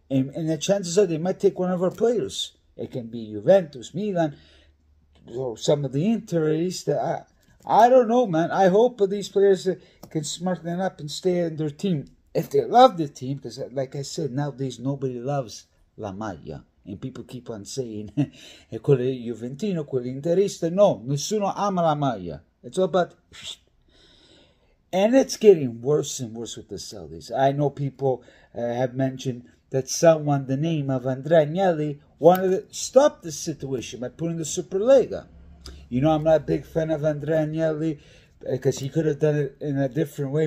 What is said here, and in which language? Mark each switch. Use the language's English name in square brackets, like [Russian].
[English] And the chances are they might take one of our players. It can be Juventus, Milan, or some of the Interis. I don't know, man. I hope these players can smarten up and stay in their team. If they love the team, because like I said, nowadays nobody loves La Maglia. And people keep on saying, [Italian] e quello è Juventino, quello è Interista. No, nessuno ama La Maglia. [English] It's all about... And it's getting worse and worse with the Celtics. I know people have mentioned that someone, the name of Andrea Agnelli, wanted to stop the situation by putting the Superlega. You know, I'm not a big fan of Andrea Agnelli, because he could have done it in a different way.